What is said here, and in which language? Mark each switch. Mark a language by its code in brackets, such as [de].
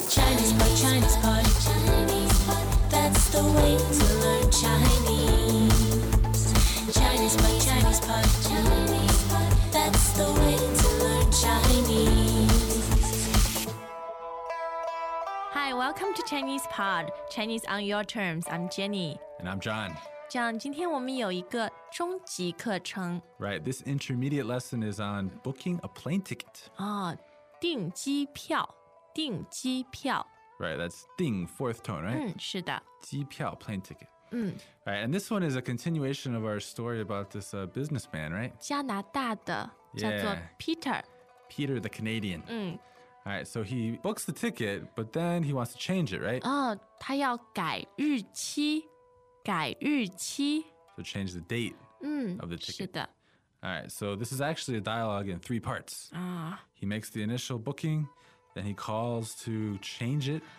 [en] Chinese pod, Chinese pod, Chinese pod, that's the way to learn Chinese. Chinese pod, Chinese pod, Chinese pod, that's the way to learn Chinese. Hi, welcome to Chinese pod, Chinese on your terms. I'm Jenny. And I'm John. [zh] John, 今天我们有一个中级课程。 [en] Right, this intermediate lesson is on booking a plane ticket. [zh] 哦，订机票，订机票。 [en] Right, that's 订 fourth tone, right? [zh] 嗯，是的。 [en] 机票 plane ticket. [zh] 嗯。 [en] Right, and this one is a continuation of our story about this businessman, right? [zh] 加拿大的，叫做 Peter. [en] Peter the Canadian. [zh] 嗯。 [en] All right, so he books the ticket, but then he wants to change it, right? [zh] 哦，他要改日期。改日期 [en] So change the date、 [zh] 嗯、 [en] of the ticket. [zh] 是的 [en] Alright, so this is actually a dialogue in three parts.、He makes the initial booking, then he calls to change it.